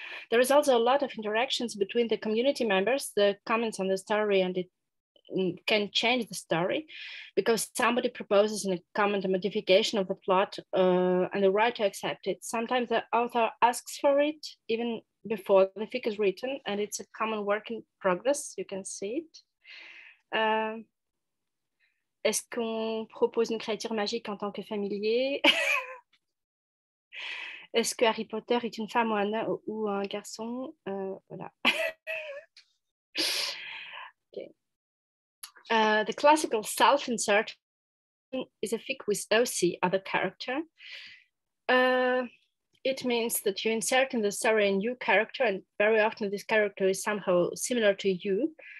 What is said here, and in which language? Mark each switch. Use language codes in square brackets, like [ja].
[en] There is also a lot of interactions between the community members, the comments on the story, and it can change the story because somebody proposes in a comment a modification of the plot and the writer accepts it. Sometimes the author asks for it even before the fic is written, and it's a common work in progress. You can see it. [fr] Est-ce qu'on propose une créature magique en tant que familier? Est-ce que Harry Potter est une femme ou un garçon? Voilà. [en] Okay. The classical self-insert is a fic with OC, other character. It means that you insert in the story a new character, and very often this character is somehow similar to you.